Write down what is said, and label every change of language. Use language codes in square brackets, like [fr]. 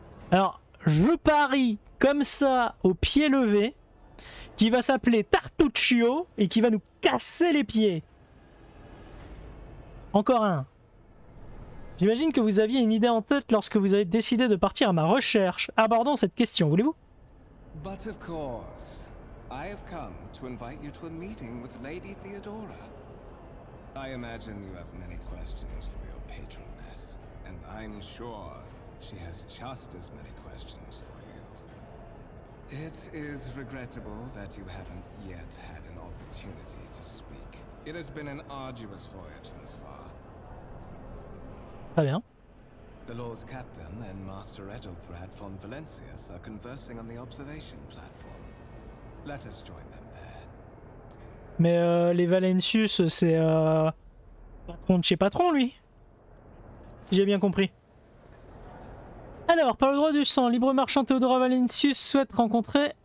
[fr] Alors, je parie comme ça au pied levé qui va s'appeler Tartuccio et qui va nous casser les pieds. Encore un. J'imagine que vous aviez une idée en tête lorsque vous avez décidé de partir à ma recherche. Abordons cette question, voulez-vous ? [en] But of course. I have come to invite you to a meeting with Lady Theodora. I imagine you have many questions for your patroness, and I'm sure she has just as many questions for you. It is regrettable that you haven't yet had an opportunity to speak. It has been an arduous voyage thus far. [fr] Très bien. [en] The Lord's Captain and Master Edelthrad von Valencius are conversing on the observation platform. Let us join them there. [fr] Mais les Valencius, c'est patron de chez patron, lui. J'ai bien compris. Alors, par le droit du sang, libre marchand Théodora Valencius souhaite rencontrer...